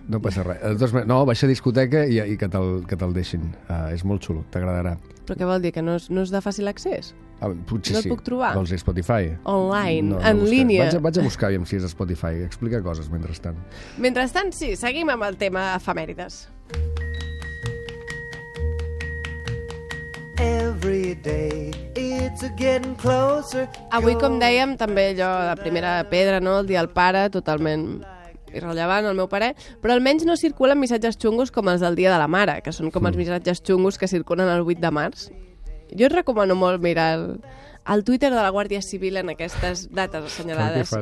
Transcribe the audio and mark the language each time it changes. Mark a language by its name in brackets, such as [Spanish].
[Catalan] No passa res. No, baixa discoteca i que te'l deixin. És molt xulo, t'agradarà. Però què vol dir? Que no és de fàcil accés? Potser no et puc trobar. Vols dir Spotify? Online, no, en línia. Vaig a buscar, aviam si és Spotify. Explica coses, mentrestant. Mentrestant, sí. Seguim amb el tema efemèrides. [English] Every day it's getting closer. [Catalan] Avui, com dèiem, també jo, la primera pedra, no? El dia del pare, totalment irrellevant, al meu pare, però almenys no circulen missatges xungos com els del dia de la mare, que són com els missatges xungos que circulen el 8 de març. Jo et recomano molt mirar el Twitter de la Guàrdia Civil en aquestes dates assenyalades.